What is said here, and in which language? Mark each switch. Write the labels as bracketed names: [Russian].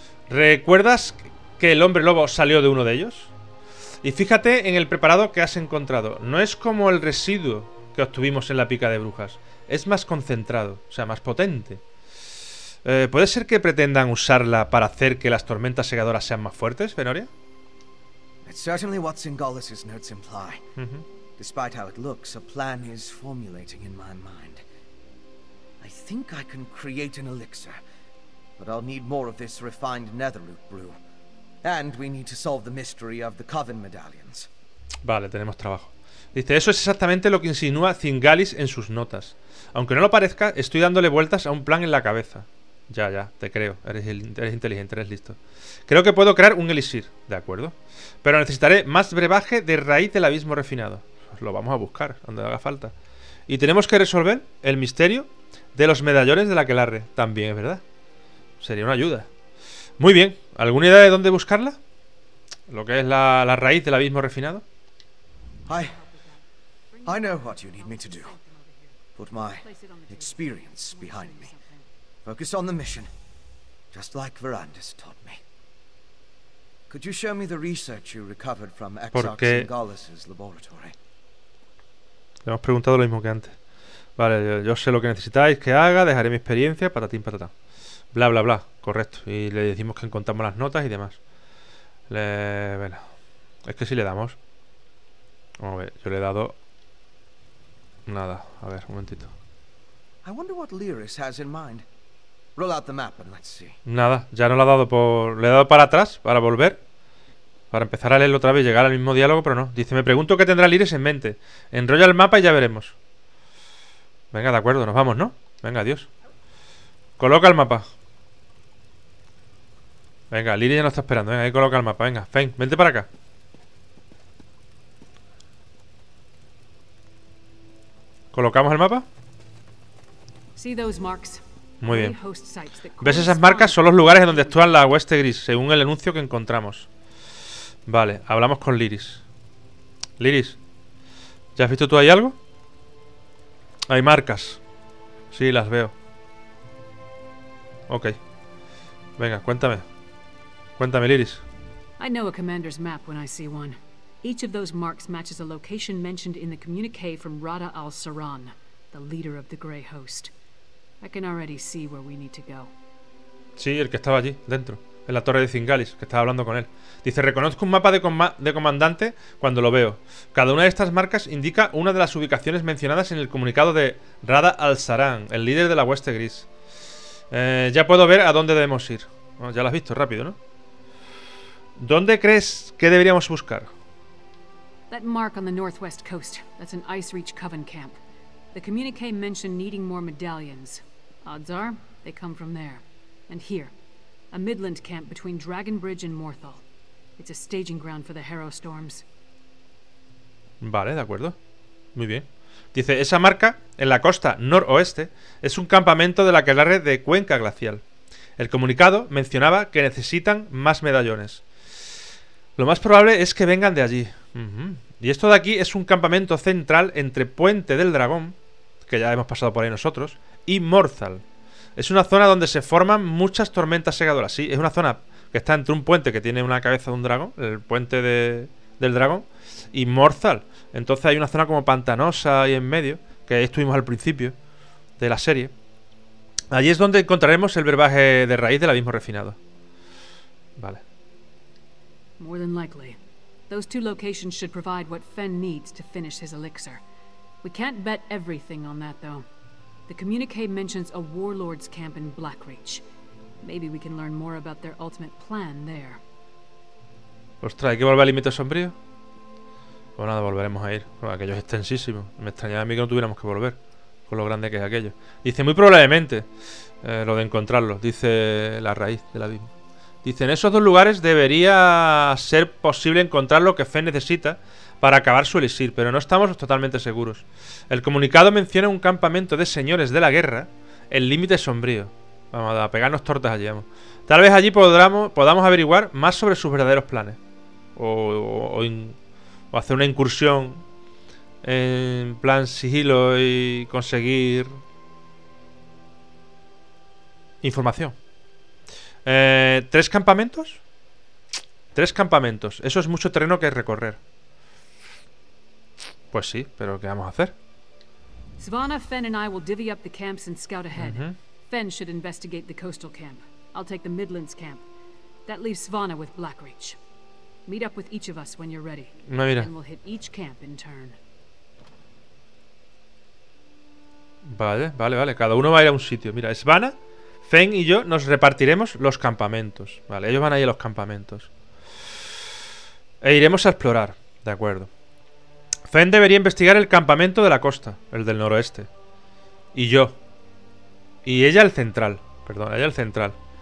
[Spanish] ¿Recuerdas que el hombre lobo salió de uno de ellos? Y fíjate en el preparado que has encontrado. No es como el residuo que obtuvimos en la pica de brujas. Es más concentrado, o sea, más potente. ¿Puede ser que pretendan usarla para hacer que las tormentas segadoras sean más fuertes, Fenoria? [English] It's certainly what Singalus's notes imply. Despite how it looks, a plan is formulating in my mind. I think I can create an elixir, but I'll need more of this refined netherroot brew. And we need to solve the mystery of the coven medallions. [Spanish] Vale, tenemos trabajo. Dice, eso es exactamente lo que insinúa Thingalis en sus notas. Aunque no lo parezca, estoy dándole vueltas a un plan en la cabeza. Ya, ya, te creo. Eres inteligente, eres listo. Creo que puedo crear un elixir, de acuerdo. Pero necesitaré más brebaje de raíz del abismo refinado. Pues lo vamos a buscar, donde haga falta. Y tenemos que resolver el misterio de los medallones de la Aquelarre. También, es verdad. Sería una ayuda. Muy bien, ¿alguna idea de dónde buscarla? Lo que es la raíz del abismo refinado. [English] I know what you need me to do. Put my experience behind me. Focus on the mission, just like Verandas taught me. Could you show me the research you recovered from Exarch Singalus's laboratory? [Spanish] Le hemos preguntado lo mismo que antes. Vale, yo sé lo que necesitáis que haga, dejaré mi experiencia, patatín patatán. Bla, bla, bla. Correcto. Y le decimos que encontramos las notas y demás. Bueno. Es que si le damos. Vamos a ver, yo le he dado. Nada. A ver, un momentito. [English] I wonder what Lyris has in mind. Roll out the map and let's see. [Spanish] Nada, ya no lo ha dado por. Le he dado para atrás, para volver. Para empezar a leerlo otra vez y llegar al mismo diálogo, pero no. Dice, me pregunto qué tendrá Lyris en mente. Enrolla el mapa y ya veremos. Venga, de acuerdo, nos vamos, ¿no? Venga, adiós. Coloca el mapa. Venga, Lyris ya nos está esperando. Venga, ahí coloca el mapa. Venga, Fein, vente para acá. ¿Colocamos el mapa? Muy bien. ¿Ves esas marcas? Son los lugares en donde actúan la hueste gris, según el anuncio que encontramos. Vale, hablamos con Lyris. Lyris, ¿ya has visto tú ahí algo? Hay marcas. Sí, las veo. Ok. Venga, cuéntame. Cuéntame, Lyris. [English] I know a commander's map when I see one. Each of those marks matches a location mentioned in the communique from Rada al-Saran, the leader of the Grey Host. I can already see where we need to go. [Spanish] Sí, el que estaba allí, dentro, en la torre de Zingalis, que estaba hablando con él. Dice, reconozco un mapa de comandante cuando lo veo. Cada una de estas marcas indica una de las ubicaciones mencionadas en el comunicado de Rada al-Saran, el líder de la hueste gris. Ya puedo ver a dónde debemos ir. Bueno, ya lo has visto, rápido, ¿no? ¿Dónde crees que deberíamos buscar? [English] That mark on the northwest coast. That's an Ice Reach Coven camp. The communique mentioned needing more medallions. Odds are, they come from there. And here, a Midland camp between Dragonbridge and Morthal. It's a staging ground for the Harrow Storms. [Spanish] Vale, de acuerdo. Muy bien. Dice, esa marca, en la costa noroeste, es un campamento de la Aquelarre de Cuenca Glacial. El comunicado mencionaba que necesitan más medallones. Lo más probable es que vengan de allí. Y esto de aquí es un campamento central entre Puente del Dragón, que ya hemos pasado por ahí nosotros, y Morthal. Es una zona donde se forman muchas tormentas segadoras. Sí, es una zona que está entre un puente que tiene una cabeza de un dragón, el Puente del Dragón, y Morthal. Entonces hay una zona como pantanosa ahí en medio, que ahí estuvimos al principio de la serie. Allí es donde encontraremos el verbaje de raíz del abismo refinado. Vale. [English] More than likely. Those two locations should provide what Fen needs to finish his elixir. We can't bet everything on that, though. The communique mentions a warlord's camp in Blackreach. Maybe we can learn more about their ultimate plan there. [Spanish] Ostras, ¿hay que volver al límite sombrío? Pues nada, volveremos a ir. Bueno, aquello es extensísimo. Me extrañaba a mí que no tuviéramos que volver. Con lo grande que es aquello. Dice, muy probablemente lo de encontrarlo. Dice la raíz del abismo. Dice, en esos dos lugares debería ser posible encontrar lo que Fen necesita para acabar su elixir, pero no estamos totalmente seguros. El comunicado menciona un campamento de señores de la guerra, el límite sombrío. Vamos a pegarnos tortas allí, vamos. Tal vez allí podamos averiguar más sobre sus verdaderos planes. O hacer una incursión en plan sigilo y conseguir información. ¿Tres campamentos? Tres campamentos. Eso es mucho terreno que recorrer. Pues sí, pero ¿qué vamos a hacer? [English] Svana, Fen and I will divvy up the camps and scout ahead. Fen should investigate the coastal camp. I'll take the Midlands camp. That leaves Svana with Blackreach. Meet up with each of us when you're ready. [Spanish] No, mira. [English] And we'll hit each camp in turn. [Spanish] Vale, vale, vale. Cada uno va a ir a un sitio. Mira, Svana, Fen y yo nos repartiremos los campamentos. Vale, ellos van ahí a los campamentos. E iremos a explorar. De acuerdo. Fen debería investigar el campamento de la costa, el del noroeste. Y yo. Y ella el central. Perdón, ella el central.